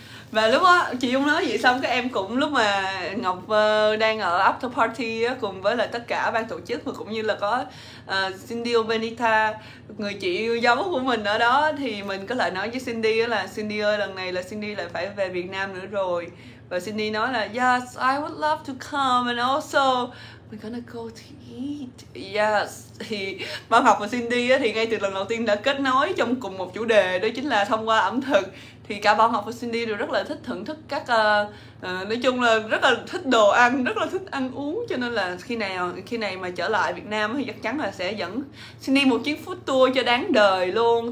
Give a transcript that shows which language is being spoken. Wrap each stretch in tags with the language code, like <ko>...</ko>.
<vi>Và lúc đó chị Dung nói vậy xong, các em cũng lúc mà Ngọc đang ở after party á, cùng với là tất cả ban tổ chức và cũng như là có Cindy Benita, người chị yêu dấu của mình ở đó, thì mình có lại nói với Cindy là Cindy ơi, lần này là Cindy lại phải về Việt Nam nữa rồi. Và Cindy nói là</vi> <en>yes, I would love to come and also we're gonna go to eat. Yes.</en> <vi>Thì Bảo Ngọc và Cindy á, thì ngay từ lần đầu tiên đã kết nối trong cùng một chủ đề, đó chính là thông qua ẩm thực. Thì cả Bảo Ngọc và Cindy đều rất là thích thưởng thức các nói chung là rất là thích đồ ăn, rất là thích ăn uống. Cho nên là khi này mà trở lại Việt Nam thì chắc chắn là sẽ dẫn Cindy một chuyến food tour cho đáng đời luôn.</vi>